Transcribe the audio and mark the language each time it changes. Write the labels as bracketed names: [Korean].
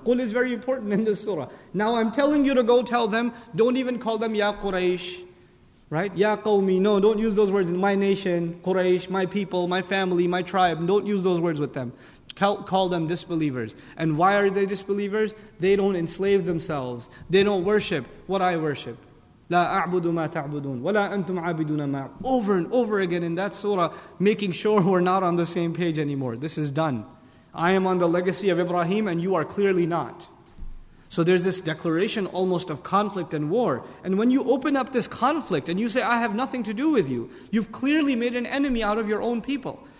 [English] قُلْ is very important in this surah. Now I'm telling you to go tell them, don't even call them يَا قُرَيْش. Right? يَا قَوْمِي. No, don't use those words. My nation, Quraysh, my people, my family, my tribe. Don't use those words with them. Call them disbelievers. And why are they disbelievers? They don't enslave themselves. They don't worship what I worship. [Arabic] لا أعبد ما تعبدون ولا أنتم عابدون ما. [English] Over and over again in that surah, making sure we're not on the same page anymore. This is done. I am on the legacy of Ibrahim and you are clearly not. So there's this declaration almost of conflict and war. And when you open up this conflict and you say, I have nothing to do with you, you've clearly made an enemy out of your own people.